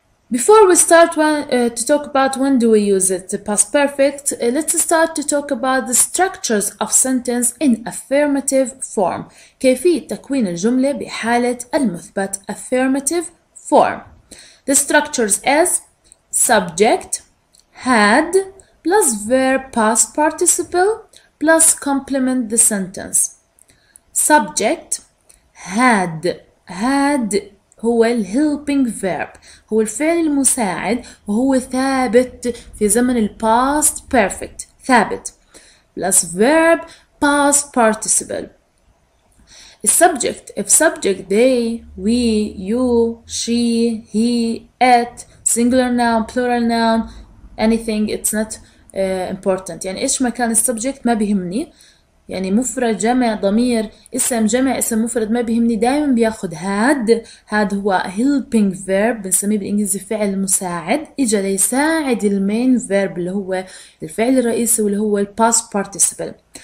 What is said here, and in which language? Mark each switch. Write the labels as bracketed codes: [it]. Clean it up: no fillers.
[en] Before we start to talk about when do we use it, the past perfect, let's start to talk about the structures of sentence in affirmative form. [ar] كيفية تكوين الجملة بحالة المثبت [en] affirmative form. The structures as subject, had, plus verb past participle, plus complement the sentence. Subject, had. Had [ar] هو الـ [en] helping verb. [ar] هو الفعل المساعد وهو ثابت في زمن الـ past perfect. ثابت. [en] Plus verb past participle. Subject, if subject they, we, you, she, he, it, singular noun, plural noun, anything, it's not important. [ar] يعني إيش ما كان السبجكت ما بيهمني. يعني مفرد جمع ضمير اسم جمع اسم مفرد ما بيهمني دائما بياخد had. had هو helping verb بنسميه بالإنجليزي فعل مساعد. إجا ليساعد المين verb اللي هو الفعل الرئيسي واللي هو past participle.